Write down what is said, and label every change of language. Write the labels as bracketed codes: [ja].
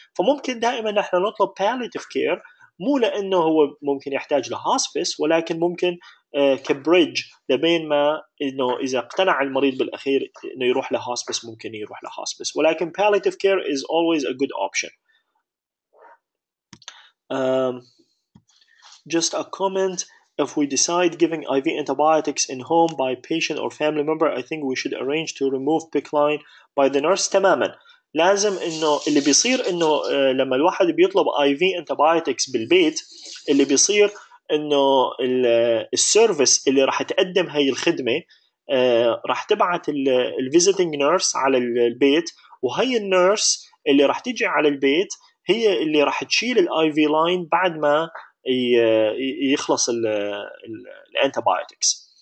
[ar] فممكن دائماً نحن نطلب palliative care مو لأنه هو ممكن يحتاج لhospice ولكن ممكن كبريدج لبين ما إنه إذا اقتنع المريض بالأخير إنه يروح لهاسبس ممكن يروح لهاسبس ولكن [en] palliative care is always a good option. Just a comment, if we decide giving IV antibiotics in home by patient or family member, I think we should arrange to remove PICC line by the nurse. [ar] تماما لازم إنه اللي بيصير إنه لما الواحد بيطلب IV antibiotics بالبيت اللي بيصير إنه السيرفيس اللي راح تقدم هاي الخدمة راح تبعت الفيزيتنج نيرس على البيت وهي النيرس اللي راح تيجي على البيت هي اللي راح تشيل الاي في لاين بعد ما يخلص الانتيبايوتكس.